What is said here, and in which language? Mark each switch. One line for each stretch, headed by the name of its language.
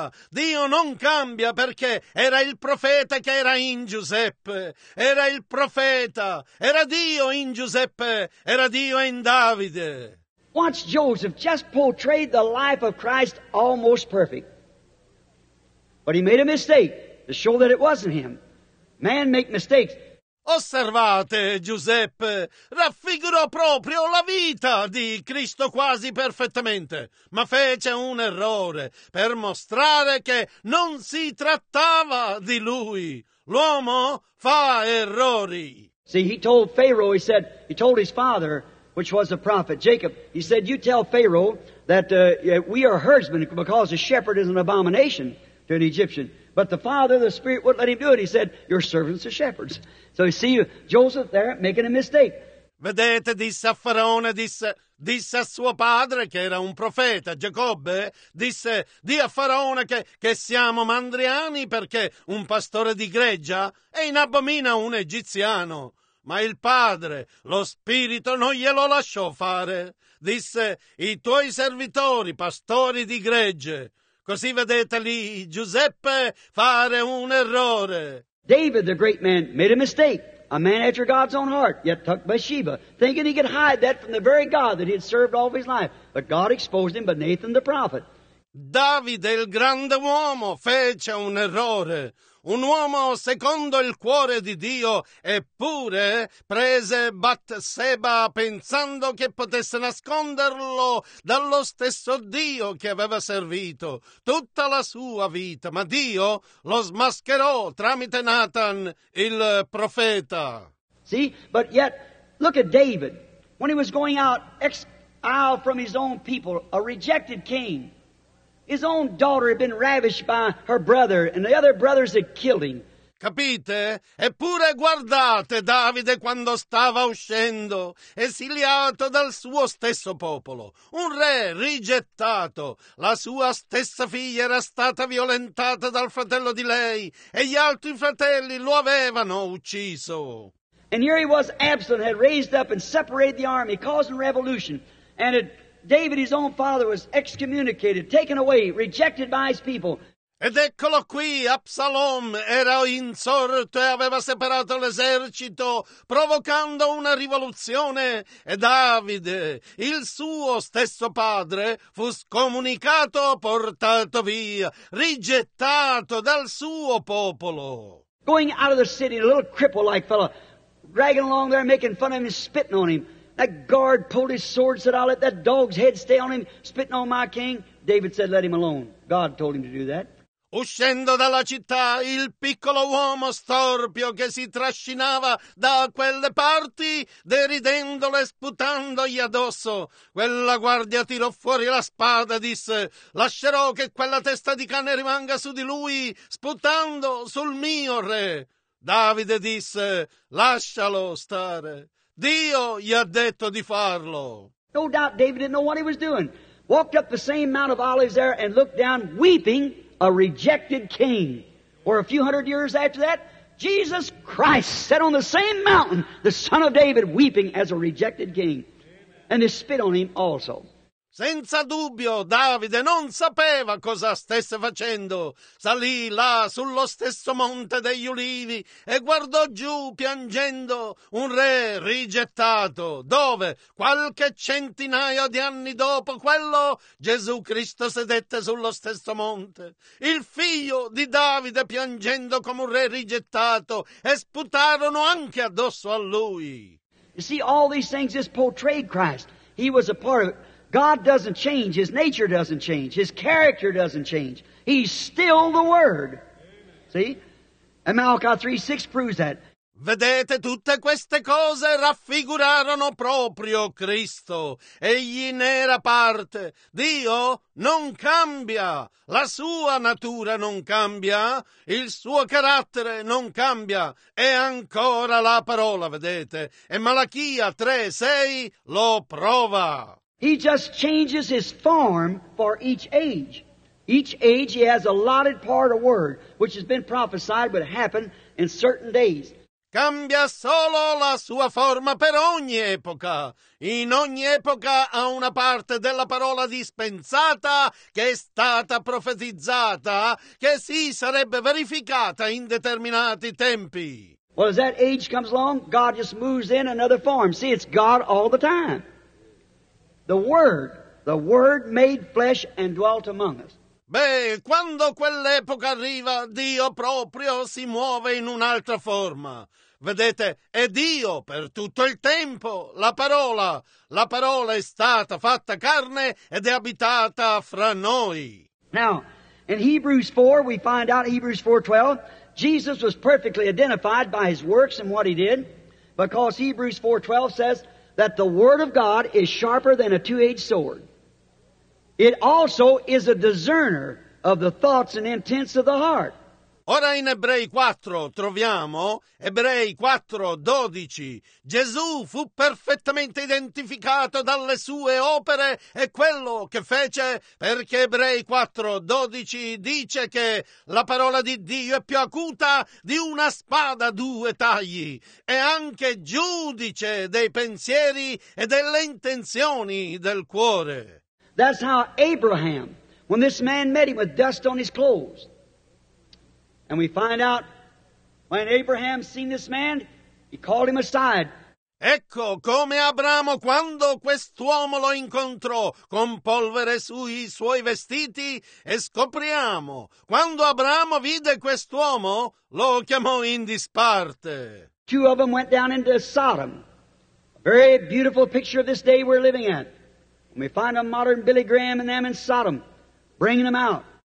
Italian: Dio non cambia perché era il profeta che era in Giuseppe, era il profeta, era Dio in Giuseppe, era Dio in Davide.
English: Watch Joseph just portrayed the life of Christ almost perfect. But he made a mistake to show that it wasn't him. Man make mistakes.
Italian: Osservate, Giuseppe, raffigurò proprio la vita di Cristo quasi perfettamente, ma fece un errore per mostrare che non si trattava di lui. L'uomo fa errori.
English: See, he told Pharaoh, he said, he told his father, which was a prophet, Jacob, he said, you tell Pharaoh that we are herdsmen because a shepherd is an abomination to an Egyptian. But the Father, the Spirit, wouldn't let him do it. He said, your servants are shepherds. So you see Joseph there making a mistake.
Italian: Vedete, disse a Faraone, disse a suo padre, che era un profeta, Giacobbe, disse, di a Faraone che siamo mandriani perché un pastore di greggia e in abomina un egiziano. Ma il padre, lo Spirito, non glielo lasciò fare. Disse, i tuoi servitori, pastori di gregge. Così vedete lì Giuseppe fare un errore.
English: David, the great man, made a mistake. A man after God's own heart, yet took Bathsheba, thinking he could hide that from the very God that he had served all of his life. But God exposed him by Nathan the prophet.
Italian: Davide, il grande uomo, fece un errore. Un uomo secondo il cuore di Dio, eppure prese Bathsheba pensando che potesse nasconderlo dallo stesso Dio che aveva servito tutta la sua vita. Ma Dio lo smascherò tramite Nathan, il profeta.
English: See, but yet, look at David, when he was going out exiled from his own people, a rejected king. His own daughter had been ravished by her brother, and the other brothers had killed him.
Italian: Capite? Eppure guardate Davide quando stava uscendo, esiliato dal suo stesso popolo. Un re rigettato. La sua stessa figlia era stata violentata dal fratello di lei, e gli altri fratelli lo avevano ucciso.
English: And here he was, Absalom had raised up and separated the army, causing revolution, and it. David, his own father, was excommunicated, taken away, rejected by his people.
Italian: Ed eccolo qui, Absalom era insorto e aveva separato l'esercito, provocando una rivoluzione. E Davide, il suo stesso padre, fu scomunicato, portato via, rigettato dal suo popolo.
English: Going out of the city, a little cripple-like fellow, dragging along there, making fun of him, spitting on him. That guard pulled his sword, said, I'll let that dog's head stay on him, spitting on my king. David said, let him alone. God told him to do that.
Italian: Uscendo dalla città, il piccolo uomo storpio che si trascinava da quelle parti, deridendolo e sputandogli addosso, quella guardia tirò fuori la spada e disse, lascerò che quella testa di cane rimanga su di lui, sputando sul mio re. Davide disse, lascialo stare. Dio gli ha detto di farlo.
English: No doubt David didn't know what he was doing. Walked up the same Mount of Olives there and looked down, weeping, a rejected king. Or a few hundred years after that, Jesus Christ sat on the same mountain, the son of David, weeping as a rejected king. And they spit on him also.
Italian: Senza dubbio, Davide non sapeva cosa stesse facendo. Salì là sullo stesso monte degli ulivi e guardò giù piangendo un re rigettato, dove qualche centinaio di anni dopo quello Gesù Cristo sedette sullo stesso monte. Il figlio di Davide piangendo come un re rigettato e sputarono anche addosso a lui.
English: You see, all these things just portrayed Christ. He was a part of it. God doesn't change, his nature doesn't change, his character doesn't change. He's still the Word. See? And Malachi 3:6 proves that.
Italian: Vedete, tutte queste cose raffigurarono proprio Cristo. Egli ne era parte. Dio non cambia. La sua natura non cambia. Il suo carattere non cambia. È ancora la parola, vedete. E Malachia 3:6 lo prova.
English: He just changes his form for each age. Each age he has allotted part of word, which has been prophesied would happen in certain days.
Italian: Cambia solo la sua forma per ogni epoca. In ogni epoca ha una parte della parola dispensata che è stata profetizzata, che si sarebbe verificata in determinati tempi.
English: Well, as that age comes along, God just moves in another form. See, it's God all the time. The Word made flesh and dwelt among us.
Italian: Beh, quando quell'epoca arriva, Dio proprio si muove in un'altra forma. Vedete, è Dio per tutto il tempo, la parola è stata fatta carne ed è abitata fra noi.
English: Now, in Hebrews 4, we find out, Hebrews 4:12, Jesus was perfectly identified by his works and what he did, because Hebrews 4:12 says, that the Word of God is sharper than a two-edged sword. It also is a discerner of the thoughts and intents of the heart.
Italian: Ora in Ebrei 4 troviamo, Ebrei 4:12, Gesù fu perfettamente identificato dalle sue opere e quello che fece, perché Ebrei 4:12 dice che la parola di Dio è più acuta di una spada a due tagli, è anche giudice dei pensieri e delle intenzioni del cuore.
English: That's how Abraham, when this man met him with dust on his clothes, and we find out When Abraham seen this man, he called him aside.
Italian: Ecco come Abramo, quando quest'uomo lo incontrò, con polvere sui suoi vestiti, e scopriamo, quando Abramo vide quest'uomo, lo chiamò in disparte.
English: Two of them went down into Sodom, a very beautiful picture of this day we're living at. And we find a modern Billy Graham and them in Sodom, bringing them out.